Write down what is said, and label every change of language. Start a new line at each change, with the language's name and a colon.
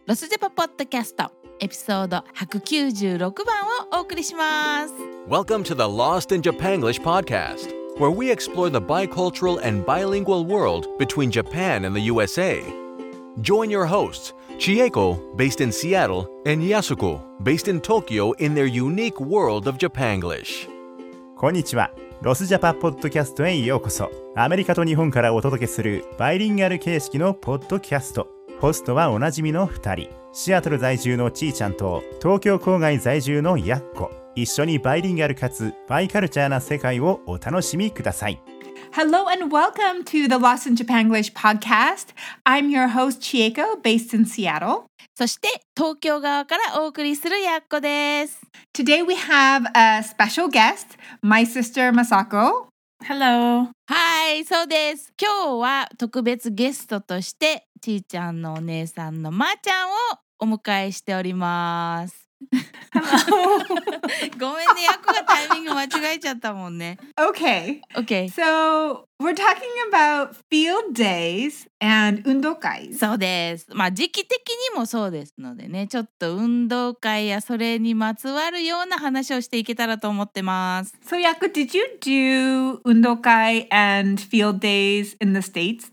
Japanese: ロスジャパポッドキャスト、エピソード196番をお送りします。
English: Welcome to the Lost in Japan English Podcast, where we explore the bicultural and bilingual world between Japan and the USA. Join your hosts, Chieko, based in Seattle, and Yasuko, based in Tokyo, in their unique world of Japanglish.
Japanese: こんにちは。ロスジャパポッドキャストへようこそ。アメリカと日本からお届けするバイリンガル形式のポッドキャスト。ホストはおなじみの2人、シアトル在住のちーちゃんと東京郊外在住のやっこ。一緒にバイリンガルかつバイカルチャーな世界をお楽しみください。
English: Hello and welcome to the Lost in Japan English Podcast. I'm your host Chieko, based in Seattle.
Japanese: そして東京側からお送りするやっこです。
English: Today we have a special guest, my sister Masako. Hello.
Japanese: Hi, そうです。今日は特別ゲストとしてちーちゃんのお姉さんのまーちゃんをお迎えしております。
English: Hello.
Japanese: ごめんね、やっこがタイミング間違えちゃったもんね。
English: Okay. Okay. So, we're talking about field days and 運動会。
Japanese: そうです。まあ時期的にもそうですのでね、ちょっと運動会やそれにまつわるような話をしていけたらと思ってます。
English: So, Yaku, did you do 運動会 and field days in the States?